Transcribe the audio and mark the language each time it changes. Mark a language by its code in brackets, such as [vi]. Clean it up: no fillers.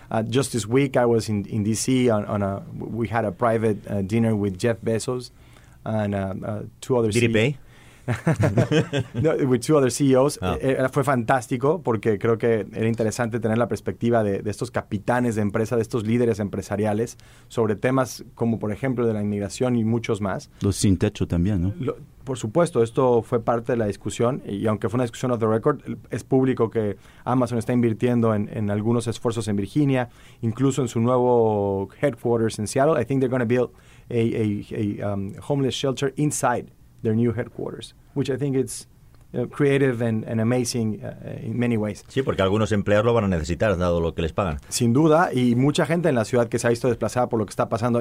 [en] Just this week I was in D.C. We had a private dinner with Jeff Bezos and two other CEOs. No, with two other CEOs. Oh. [es] Fue fantástico porque creo que era interesante tener la perspectiva de estos capitanes de empresa, de estos líderes empresariales sobre temas como, por ejemplo, de la inmigración y muchos más. Los sin techo también, ¿no? Por supuesto, esto fue parte de la discusión y aunque fue una discusión off the record, es público que Amazon está invirtiendo en algunos esfuerzos en Virginia, incluso en su nuevo headquarters en Seattle. [en] I think they're going to build a homeless shelter inside their new headquarters, which I think it's creative and amazing in many ways. [es] Sí, porque algunos empleados lo van a necesitar, dado lo que les pagan. Sin duda, y mucha gente en la ciudad que se ha visto desplazada por lo que está pasando.